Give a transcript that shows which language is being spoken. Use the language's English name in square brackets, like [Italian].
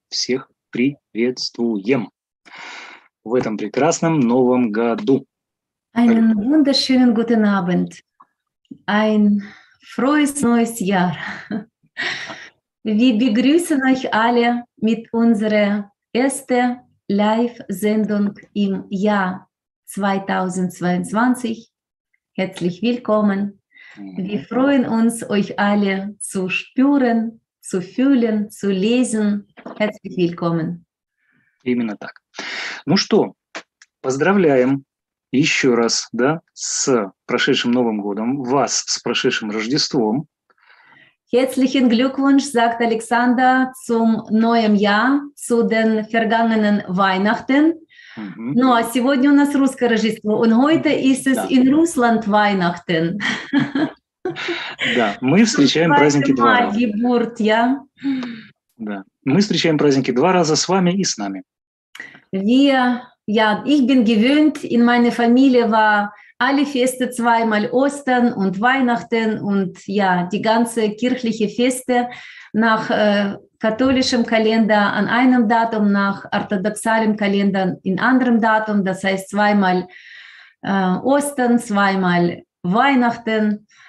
[Russian] Всех приветствуем в этом прекрасном новом году. [German] Einen wunderschönen guten Abend. Ein frohes neues Jahr. Wir begrüßen euch alle mit unserer ersten Live-Sendung im Jahr 2022. Herzlich willkommen. Wir freuen uns, euch alle zu spüren, zu fühlen, zu lesen. Herzlich willkommen. [Russian] Именно так. Ну что, поздравляем еще раз, да, с прошедшим Новым годом, вас с прошедшим Рождеством. [German] Herzlichen Glückwunsch, sagt Alexander, zum neuen Jahr, zu den vergangenen Weihnachten. Mm-hmm. [Russian] Ну а сегодня у нас русское Рождество, [German] und heute ist es in Russland Weihnachten. [Russian] Да, мы встречаем праздники два раза. [German] Geburt, ja? [Russian] Да, мы встречаем праздники два раза с вами и с нами. [German] Wir, ja, ich bin gewöhnt, in meiner Familie war alle Feste zweimal Ostern und Weihnachten und ja, die ganze kirchliche Feste nach katholischem Kalender an einem Datum, nach orthodoxalem Kalender in anderem Datum, das heißt zweimal Ostern, zweimal Weihnachten.